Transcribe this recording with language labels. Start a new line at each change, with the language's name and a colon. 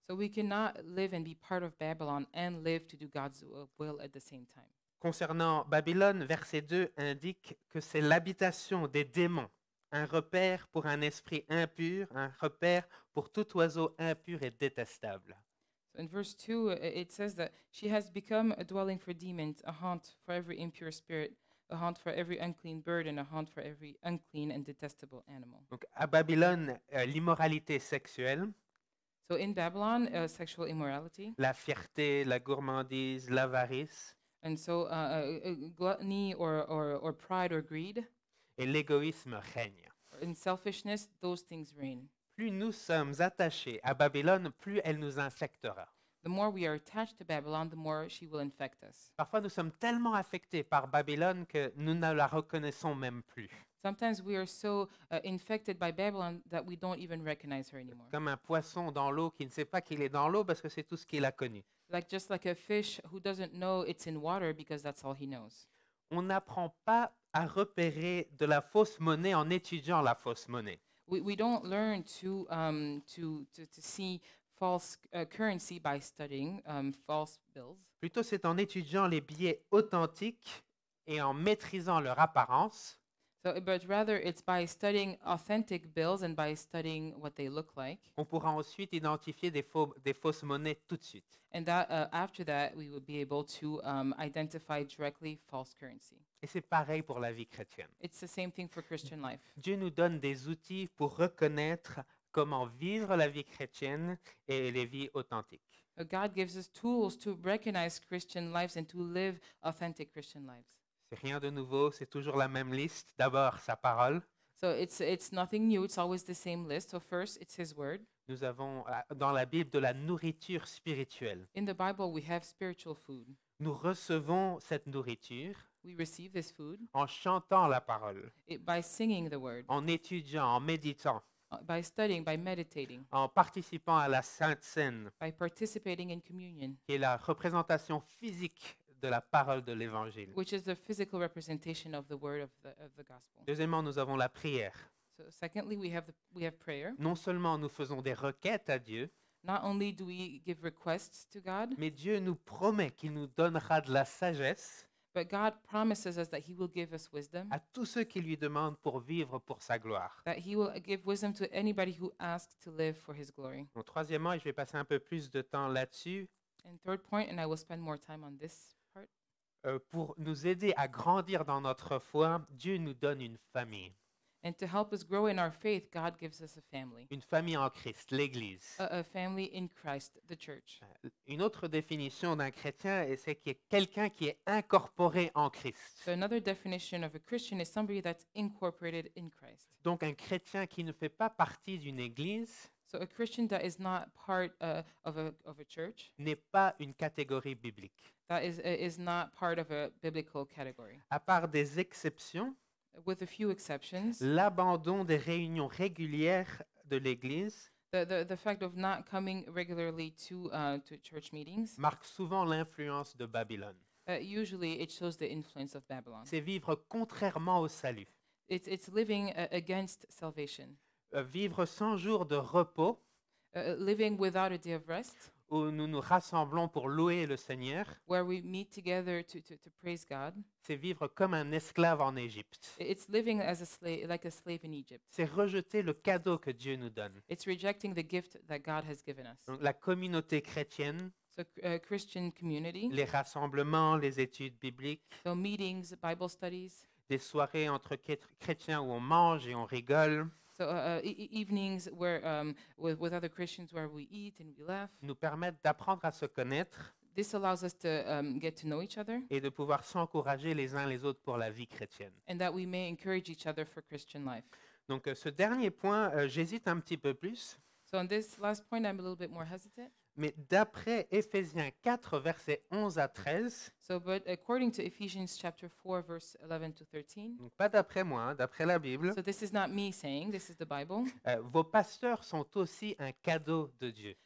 English: So we cannot live and be part of Babylon and live to do God's will at the same time.
French: Concernant Babylone, verset 2 indique que c'est l'habitation des démons, un repère pour un esprit impur, un repère pour tout oiseau impur et détestable.
English: So in verse 2, it says that she has become a dwelling for demons, a haunt for every impure spirit. A haunt for every unclean bird and a haunt for every unclean and detestable animal.
French: Donc à Babylone, l'immoralité sexuelle.
English: So in Babylon, sexual immorality.
French: La fierté, la gourmandise, l'avarice.
English: And so gluttony or pride or greed.
French: Et l'égoïsme règne.
English: In selfishness, those things reign.
French: Plus nous sommes attachés à Babylone, plus elle nous infectera.
English: The more we are attached to Babylon, the more she will infect us.
French: Parfois, nous sommes tellement affectés par Babylone que nous ne la reconnaissons même plus.
English: Sometimes we are so infected by Babylon that we don't even recognize her anymore.
French: Comme un poisson dans l'eau qui ne sait pas qu'il est dans l'eau parce que c'est tout ce qu'il a connu.
English: Like just like a fish who doesn't know it's in water because that's all he knows.
French: On n'apprend pas à repérer de la fausse monnaie en étudiant la fausse monnaie.
English: We don't learn to see false currency by studying false bills.
French: Plutôt c'est en étudiant les billets authentiques et en maîtrisant leur apparence.
English: So, but rather it's by studying authentic bills and by studying what they look like.
French: On pourra ensuite identifier des fausses monnaies tout de suite.
English: And that, after that we would be able to identify directly false currency.
French: Et c'est pareil pour la vie chrétienne.
English: It's the same thing for Christian life.
French: Dieu nous donne des outils pour reconnaître comment vivre la vie chrétienne et les vies authentiques.
English: God gives us tools to recognize Christian lives and to live authentic Christian lives.
French: C'est rien de nouveau, c'est toujours la même liste. D'abord, sa parole.
English: So it's nothing new, it's always the same list. So first, it's his word.
French: Nous avons dans la Bible de la nourriture spirituelle.
English: In the Bible, we have spiritual food.
French: Nous recevons cette nourriture.
English: We receive this food.
French: En chantant la parole.
English: By singing the word.
French: En étudiant, en méditant.
English: By studying, by meditating.
French: En participant à la Sainte Cène.
English: By participating in communion.
French: Qui est la représentation physique de la parole de l'Évangile.
English: Which is the physical representation of the word of the gospel.
French: Deuxièmement, nous avons la prière.
English: So secondly, we have prayer.
French: Non seulement nous faisons des requêtes à Dieu.
English: Not only do we give requests to God.
French: Mais Dieu nous promet qu'il nous donnera de la sagesse.
English: But God promises us that he will give us wisdom.
French: À tous ceux qui lui demandent pour vivre pour sa gloire.
English: That he will give wisdom to anybody who asks to live for his glory.
French: Bon, troisièmement, et je vais passer un peu plus de temps là-dessus.
English: And third point, and I will spend more time on this.
French: Pour nous aider à grandir dans notre foi, Dieu nous donne une famille.
English: And to help us grow in our faith, God gives us a family.
French: Une famille en Christ, l'Église.
English: A family in Christ, the church.
French: Une autre définition d'un chrétien, c'est qu'il y a quelqu'un qui est incorporé en Christ.
English: So another definition of a Christian is somebody that's incorporated in Christ.
French: Donc un chrétien qui ne fait pas partie d'une Église.
English: So a Christian that is not part of a church
French: n'est pas une catégorie biblique.
English: That is not part of a biblical category.
French: À part des exceptions,
English: with a few exceptions,
French: l'abandon des réunions régulières de l'Église,
English: the fact of not coming regularly to church meetings,
French: marque souvent l'influence de Babylone.
English: Usually it shows the influence of Babylon.
French: C'est vivre contrairement au salut.
English: It's living against salvation.
French: Vivre 100 jours de repos,
English: living without a day of rest,
French: où nous nous rassemblons pour louer le Seigneur,
English: where we meet together to praise God,
French: c'est vivre comme un esclave en Égypte.
English: It's living as a slave, like a slave in Egypt.
French: C'est rejeter le cadeau que Dieu nous donne.
English: It's rejecting the gift that God has given us.
French: Donc, la communauté chrétienne,
English: so, Christian community,
French: les rassemblements, les études bibliques,
English: so meetings, Bible studies,
French: des soirées entre chrétiens où on mange et on rigole,
English: so evenings where with other Christians where we eat and we laugh,
French: nous permettent d'apprendre à se connaître.
English: This allows us to get to know each other,
French: et de pouvoir s'encourager les uns les autres pour la vie chrétienne,
English: and that we may encourage each other for Christian life.
French: Donc ce dernier point, j'hésite un petit peu plus.
English: So on this last point I'm a little bit more hesitant.
French: Mais d'après Éphésiens 4 versets 11 à 13.
English: So but according to Ephesians chapter 4 verse 11 to 13.
French: Donc pas d'après moi, d'après la Bible.
English: So this is not me saying, this is the Bible.
French: Vos pasteurs sont aussi un cadeau de Dieu.